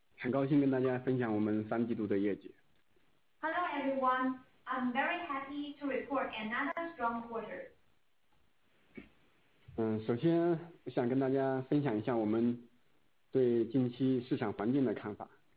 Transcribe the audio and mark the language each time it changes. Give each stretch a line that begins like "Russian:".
Chinese: 大家好，很高兴跟大家分享我们三季度的业绩。
English: Hello, everyone. I'm very happy to report another strong quarter.
Chinese: 首先我想跟大家分享一下我们对近期市场环境的看法。